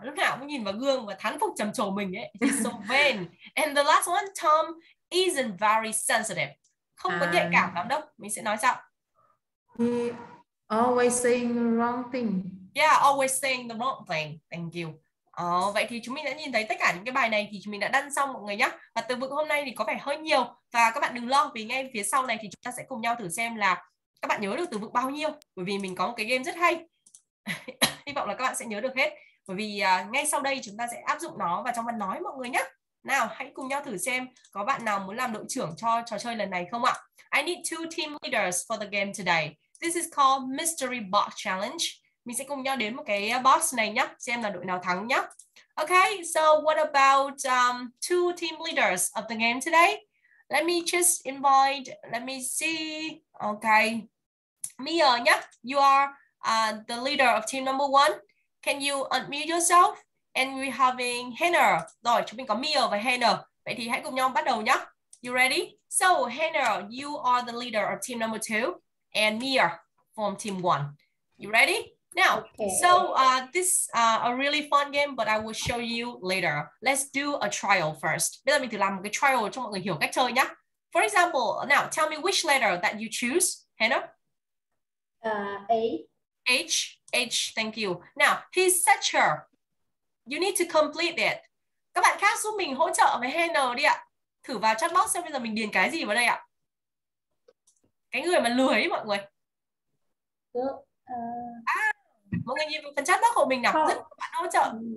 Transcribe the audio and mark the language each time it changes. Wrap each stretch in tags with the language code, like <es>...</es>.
<vi>Lúc nào cũng nhìn vào gương và thán phục trầm trồ mình ấy.</vi> <en>He's so vain. And the last one, Tom isn't very sensitive.</en> <vi>Không có nhạy cảm lắm đâu. Mình sẽ nói sao?</vi> <en>He always saying wrong thing. Yeah, always saying the wrong thing. Thank you.</en> <vi>Vậy thì chúng mình đã nhìn thấy tất cả những cái bài này thì chúng mình đã đăng xong mọi người nhé. Và từ vựng hôm nay thì có vẻ hơi nhiều. Và các bạn đừng lo vì ngay phía sau này thì chúng ta sẽ cùng nhau thử xem là các bạn nhớ được từ vựng bao nhiêu. Bởi vì mình có một cái game rất hay. Hy vọng là các bạn sẽ nhớ được hết. Bởi vì ngay sau đây chúng ta sẽ áp dụng nó vào trong văn nói mọi người nhé. Nào, hãy cùng nhau thử xem có bạn nào muốn làm đội trưởng cho trò chơi lần này không ạ?</vi> <en>I need two team leaders for the game today. This is called Mystery Box Challenge.</en> <vi>Mình sẽ cùng nhau đến một cái box này nhé, xem là đội nào thắng nhé.</vi> <en>Okay, so what about two team leaders of the game today? Let me just invite, let me see. Okay, Mia nhé, you are the leader of team number one. Can you unmute yourself? And we're having Hannah.</en> <vi>Rồi, chúng mình có Mia và Hannah. Vậy thì hãy cùng nhau bắt đầu nhé.</vi> <en>You ready? So Hannah, you are the leader of team number two. And Mia from team one. You ready? Now, okay. So this a really fun game, but I will show you later. Let's do a trial first.</en> <vi>Bây giờ mình thử làm một cái trial cho mọi người hiểu cách chơi nhá.</vi> <en>For example, now tell me which letter that you choose, Hannah? A. H, thank you. Now, he's such a, you need to complete it.</en> <vi>Các bạn khác giúp mình hỗ trợ với Hannah đi ạ. Thử vào chat box xem bây giờ mình điền cái gì vào đây ạ. Cái người mà lười ấy mọi người. Mọi người nhìn vào phần chat box của mình nào, rất các bạn hỗ trợ.</vi>